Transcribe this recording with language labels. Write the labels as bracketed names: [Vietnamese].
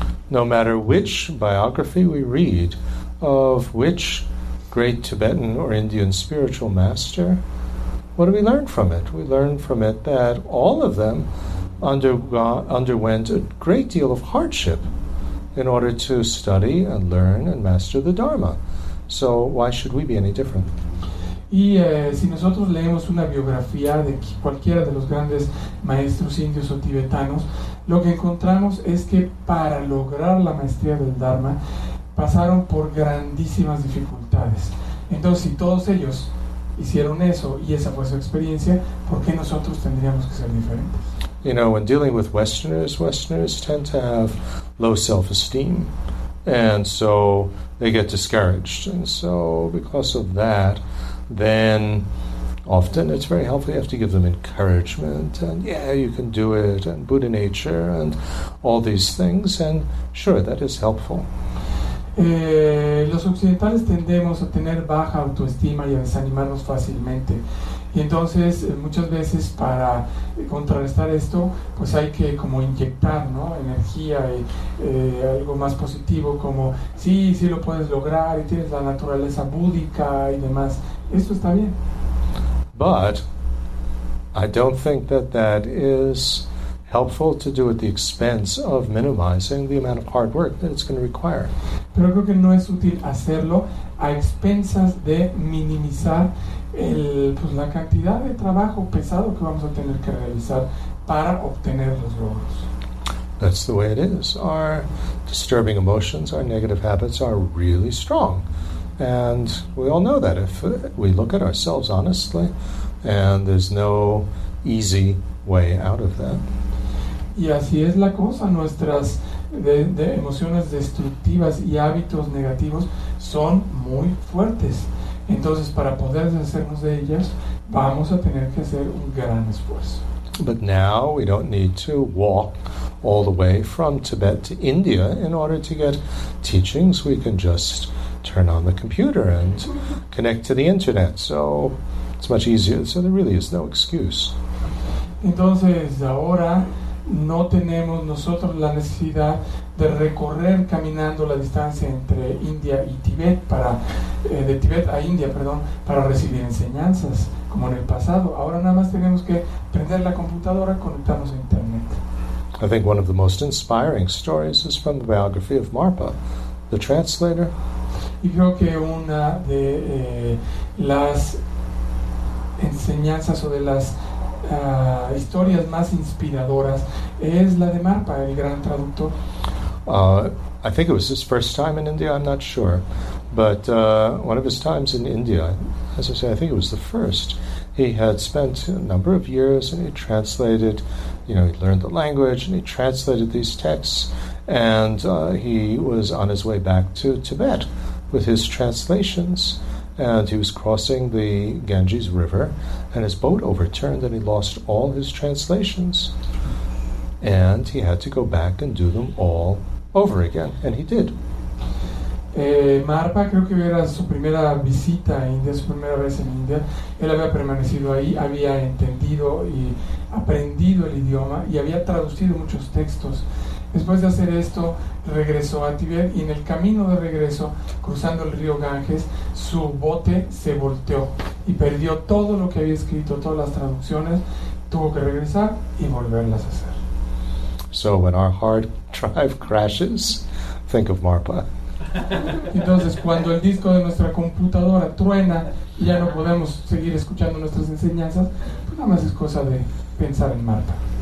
[English] No matter which biography we read of which great Tibetan or Indian spiritual master, What do we learn from it? We learn from it that all of them underwent a great deal of hardship in order to study and learn and master the Dharma. So why should we be any different? [Spanish] Y si nosotros leemos una biografía de cualquiera de los grandes maestros indios o tibetanos, lo que encontramos es que para lograr la maestría del Dharma pasaron por grandísimas dificultades. Entonces, si todos ellos hicieron eso y esa fue su experiencia, ¿por qué nosotros tendríamos que ser diferentes? [English] You know, when dealing with Westerners, Westerners tend to have low self-esteem, and so they get discouraged. And so, because of that, then often it's very helpful. You have to give them encouragement, and yeah, you can do it, and Buddha nature, and all these things. And sure, that is helpful. [Spanish] Los occidentales tendemos a tener baja autoestima y a desanimarnos fácilmente. Y entonces, muchas veces para contrarrestar esto, pues hay que como inyectar, ¿no? Energía y algo más positivo, como sí, sí lo puedes lograr y tienes la naturaleza búdica y demás. Esto está bien. [English] But I don't think that that is helpful to do at the expense of minimizing the amount of hard work that it's going to require. [Spanish] Pero creo que no es útil hacerlo a expensas de minimizar la cantidad de trabajo pesado que vamos a tener que realizar para obtener los logros. [English] That's the way it is. Our disturbing emotions, our negative habits are really strong. And we all know that if we look at ourselves honestly, and there's no easy way out of that. [Spanish] Y así es la cosa, nuestras de emociones destructivas y hábitos negativos son muy fuertes. Entonces, para poder deshacernos de ellas, vamos a tener que hacer un gran esfuerzo. [English] But now we don't need to walk all the way from Tibet to India in order to get teachings. We can just turn on the computer and connect to the internet. So it's much easier. So there really is no excuse. [Spanish] Entonces, ahora no tenemos nosotros la necesidad de recorrer caminando la distancia entre India y Tibet para de Tibet a India, perdón, para recibir enseñanzas como en el pasado. Ahora nada más tenemos que prender la computadora, conectarnos a internet. [English] I think one of the most inspiring stories is from the biography of Marpa, the translator. [Spanish] Y creo que una de las enseñanzas o de las historias más inspiradoras es la de Marpa, el gran traductor. [English] I think it was his first time in India, I'm not sure, but one of his times in India, as I say, I think it was the first, he had spent a number of years and he translated, you know, he learned the language and he translated these texts, and he was on his way back to Tibet with his translations. And he was crossing the Ganges River, and his boat overturned, and he lost all his translations. And he had to go back and do them all over again, and he did. [Spanish] Marpa, creo que era su primera visita a India, su primera vez en India. Él había permanecido ahí, había entendido y aprendido el idioma, y había traducido muchos textos. Después de hacer esto, regresó a Tibet y en el camino de regreso, cruzando el río Ganges, su bote se volteó y perdió todo lo que había escrito, todas las traducciones, tuvo que regresar y volverlas a hacer. [English] So when our hard drive crashes, think of Marpa. [Spanish] Entonces, cuando el disco de nuestra computadora truena y ya no podemos seguir escuchando nuestras enseñanzas, pues nada más es cosa de pensar en Marpa.